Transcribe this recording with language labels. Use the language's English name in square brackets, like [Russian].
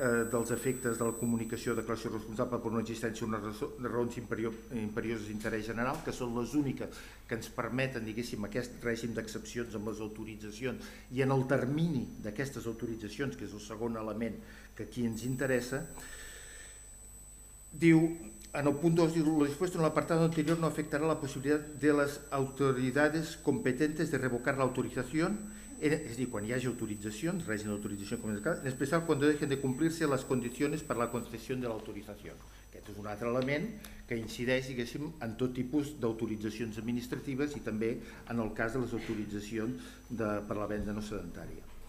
[Catalan] dels efectes de la comunicació o declaració responsable per una existència d'una raó imperiosa d'interès general, que són les úniques que ens permeten, diguéssim, aquest règim d'excepcions amb les autoritzacions i en el termini d'aquestes autoritzacions, que és el segon element que aquí ens interessa, diu... En el punt 2 diu, [Spanish] lo dispuesto en el apartado anterior no afectará la posibilidad de las autoridades competentes de revocar la autorización [Catalan] és a dir, quan hi hagi autoritzacions, règim d'autorització, com és el cas, en especial quan deixen de complir-se les condicions per a la concessió de l'autorització. Aquest és un altre element que incideix, diguéssim, en tot tipus d'autoritzacions administratives i també en el cas de les autoritzacions per a la venda no sedentària.